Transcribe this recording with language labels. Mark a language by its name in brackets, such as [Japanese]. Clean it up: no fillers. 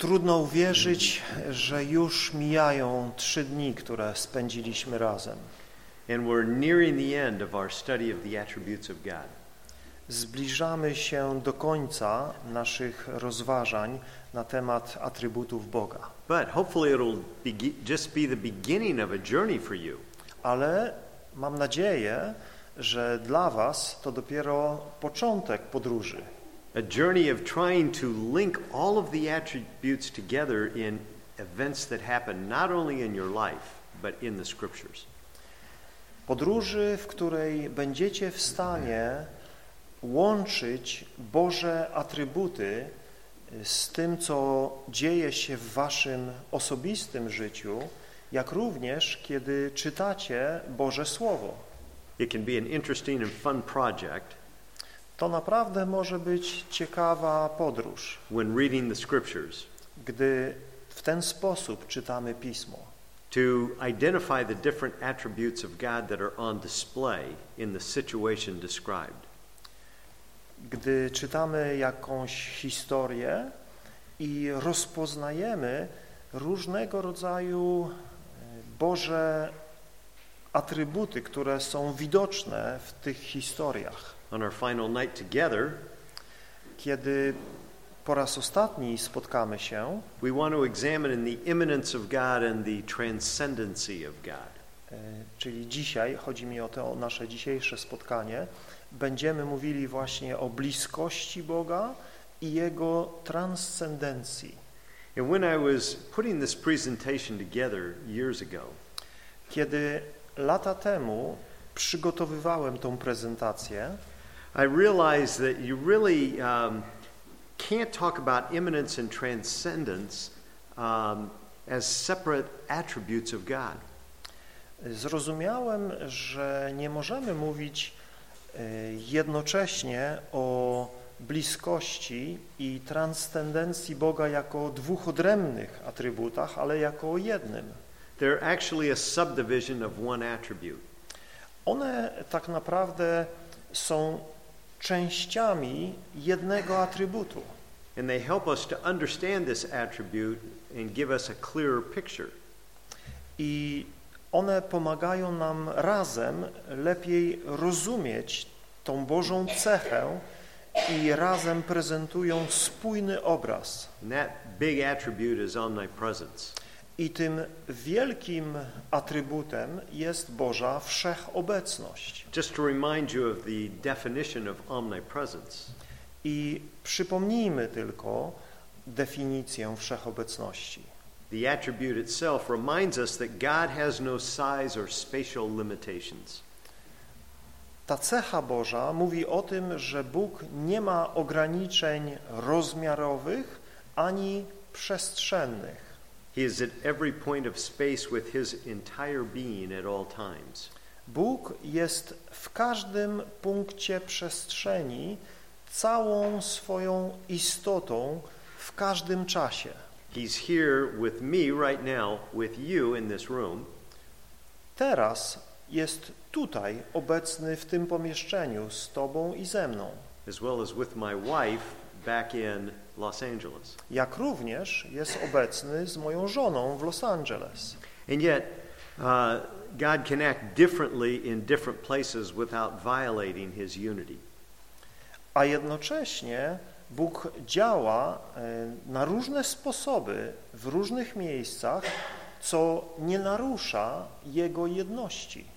[Polish] Trudno uwierzyć, że już mijają 3 dni, które spędziliśmy razem. [English] And we're nearing the end of our study of the attributes of God. [Polish] Zbliżamy się do końca naszych rozważań na temat atrybutów Boga. [English] But hopefully it'll just be the beginning of a journey for you. [Polish] Ale mam nadzieję, że dla was to dopiero początek podróży. [English] A journey of trying to link all of the attributes together in events that happen not only in your life, but in the scriptures. [Polish] Podróży, w której będziecie w stanie łączyć Boże atrybuty z tym, co dzieje się w waszym osobistym życiu, jak również kiedy czytacie Boże Słowo. [English] It can be an interesting and fun project. [Polish] To naprawdę może być ciekawa podróż, [English] when reading the scriptures, [Polish] gdy w ten sposób czytamy Pismo. [English] To identify the different attributes of God that are on display in the situation described. [Polish] Gdy czytamy jakąś historię i rozpoznajemy różnego rodzaju Boże atrybuty, które są widoczne w tych historiach. [English] On our final night together, [Polish] kiedy po raz ostatni spotkamy się, [English] we want to examine the immanence of God and the transcendency of God. [Polish] Czyli dzisiaj, chodzi mi o nasze dzisiejsze spotkanie, będziemy mówili właśnie o bliskości Boga i Jego transcendencji. [English] And when I was putting this presentation together years ago, [Polish] kiedy lata temu przygotowywałem tą prezentację, [English] I realized that you really can't talk about immanence and transcendence as separate attributes of God. [Polish] Zrozumiałem, że nie możemy mówić jednocześnie o bliskości i transcendencji Boga jako dwóch odrębnych atrybutach, ale jako o jednym. [English] They're actually a subdivision of one attribute. [Polish] One tak naprawdę są częściami jednego atrybutu. [English] And they help us to understand this attribute and give us a clearer picture. [Polish] I one pomagają nam razem lepiej rozumieć tą Bożą cechę i razem prezentują spójny obraz. [English] And that big attribute is omnipresence. [Polish] I tym wielkim atrybutem jest Boża wszechobecność. [English] Just to remind you of the definition of omnipresence. [Polish] I przypomnijmy tylko definicję wszechobecności. [English] The attribute itself reminds us that God has no size or spatial limitations. [Polish] Ta cecha Boża mówi o tym, że Bóg nie ma ograniczeń rozmiarowych ani przestrzennych. [English] He is at every point of space with his entire being at all times. [Polish] Bóg jest w każdym punkcie przestrzeni całą swoją istotą w każdym czasie. [English] He's here with me right now, with you in this room. [Polish] Teraz jest tutaj obecny w tym pomieszczeniu z tobą i ze mną. [English] As well as with my wife back in Los Angeles. [Polish] Jak również jest obecny z moją żoną w Los Angeles. [English] And yet, God can act differently in different places without violating his unity. [Polish] A jednocześnie Bóg działa na różne sposoby w różnych miejscach, co nie narusza jego jedności.